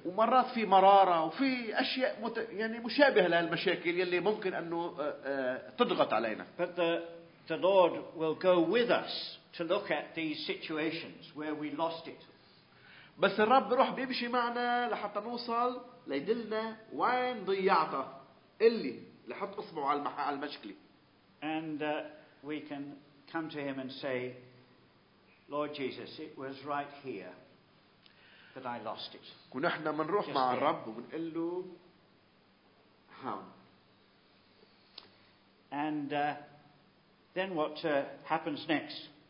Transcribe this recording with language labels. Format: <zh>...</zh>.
<ar>ومرات في مرارة وفي أشياء يعني مشابهة لهالمشاكل يلي ممكن إنه تضغط علينا.</ar> <en>But the Lord will go with us to look at these situations where we lost it.</en> <ar>بس الرب بروح بيمشي معنا لحتى نوصل ليدلنا وين ضيعته. اللي لحط اصبعه على المشكله.</ar> <en>And we can come to him and say, Lord Jesus, it was right here that I lost it.</en> <ar>ونحن منروح مع الرب وبنقول له هون.</ar> <en>And then what happens next?</en>